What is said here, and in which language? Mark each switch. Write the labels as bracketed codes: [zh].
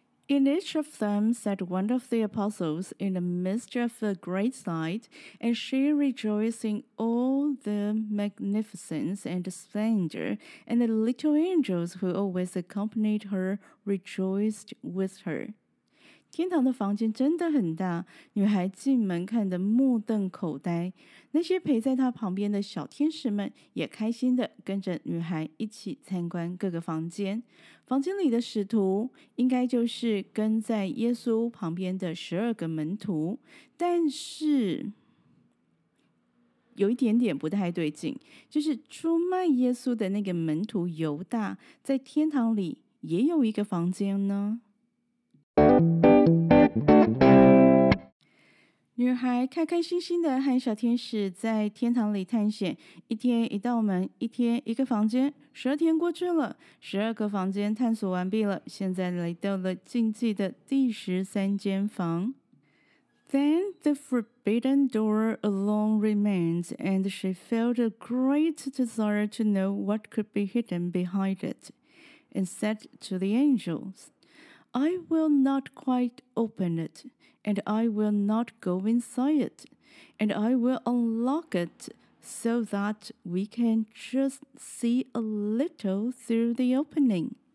[en] In each of them sat one of the apostles In the midst of a great sight And she rejoicingThe magnificence and splendor, and the little angels who always accompanied her rejoiced with her. [zh] 天堂的房间真的很大，女孩进门看得目瞪口呆。那些陪在她旁边的小天使们也开心地跟着女孩一起参观各个房间。房间里的使徒应该就是跟在耶稣旁边的12个门徒，但是有一点点不太对劲，就是出卖耶稣的那个门徒犹大，在天堂里也有一个房间呢。女孩开开心心的和小天使在天堂里探险，一天一道门，一天一个房间，十二天过去了，十二个房间探索完毕了，现在来到了禁忌的第十三间房。 [en] Then the forbidden door alone remained, and she felt a great desire to know what could be hidden behind it, and said to the angels, I will not quite open it, and I will not go inside it, and I will unlock it so that we can just see a little through the opening.